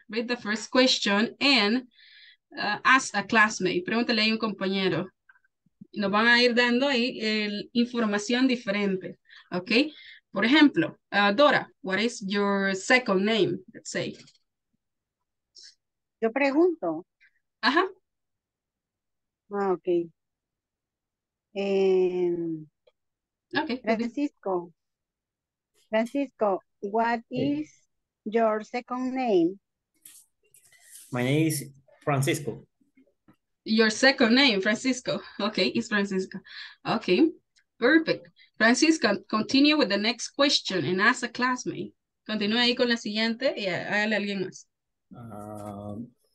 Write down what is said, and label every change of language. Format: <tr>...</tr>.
<en>Read the first question and ask a classmate.</en> <es>Pregúntale a un compañero. Nos van a ir dando ahí información diferente.</es> <en>Okay?</en> <es>Por ejemplo,</es> <en>Dora, what is your second name? Let's say.</en> <es>Yo pregunto. Ajá. Ah, okay. Okay.</es> <en>Francisco. Francisco, what is your second name? My name is Francisco. Your second name, Francisco. Okay, it's Francisco. Okay, perfect. Francisco, continue with the next question and ask a classmate.</en> <es>Continúe ahí con la siguiente y hágale a alguien más.</es>